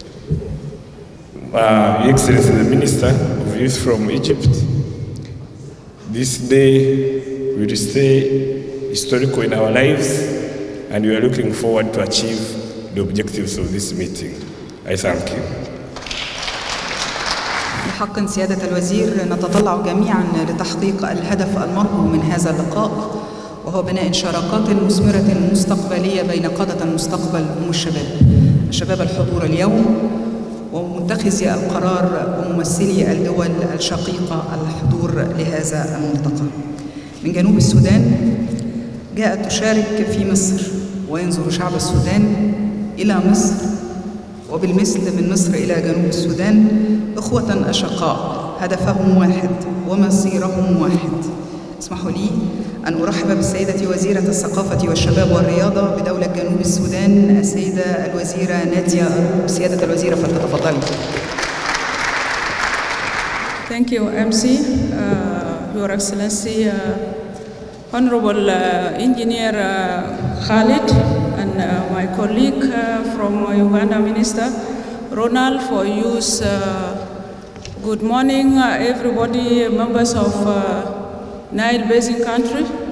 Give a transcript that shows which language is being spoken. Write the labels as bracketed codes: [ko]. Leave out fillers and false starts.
[en] Your Excellency the Minister of Youth from Egypt, this day will stay historical in our lives, and we are looking forward to achieve the objectives of this meeting. I thank you. [ar] بحق سيادة الوزير نتطلع جميعا لتحقيق الهدف المرجو من هذا اللقاء، وهو بناء شراكات مثمرة مستقبلية بين قادة المستقبل والشباب. الشباب الحضور اليوم ومتخذي القرار وممثلي الدول الشقيقة الحضور لهذا الملتقى. من جنوب السودان جاءت تشارك في مصر، وينظر شعب السودان إلى مصر، وبالمثل من مصر إلى جنوب السودان، إخوة أشقاء هدفهم واحد ومصيرهم واحد. اسمحوا لي أن أرحب بالسيدة وزيرة الثقافة والشباب والرياضة بدولة جنوب السودان السيدة الوزيرة نادية أروب. سيادة الوزيرة فلتتفضلي. [en] Thank you, MC. Your Excellency, Honorable Engineer Khalid, and my colleague from Uganda Minister Ronald for Youth. Good morning, everybody, members of Nile Basin Country.